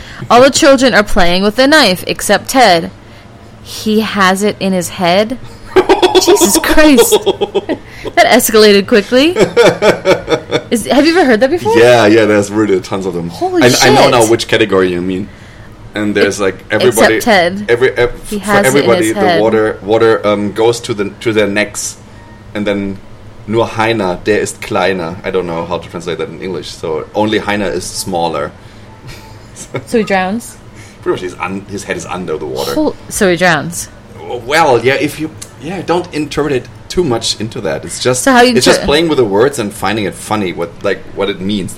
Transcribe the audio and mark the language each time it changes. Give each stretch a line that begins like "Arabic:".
English: All the children are playing with a knife except Ted. He has it in his head. Jesus Christ. That escalated quickly. Have you ever heard that before? Yeah, there's really tons of them. Holy shit. I don't know which category you mean. And there's like everybody. Except Ted. For everybody, water goes to their necks. And then
German: nur Heiner, der ist kleiner.
English: I don't know how to translate that in English. So only Heiner is smaller. So he drowns? Pretty much his head is under the water. So he drowns? Well, yeah, if you... Yeah, don't interpret it too much into that. It's just just playing with the words and finding it funny, what it means.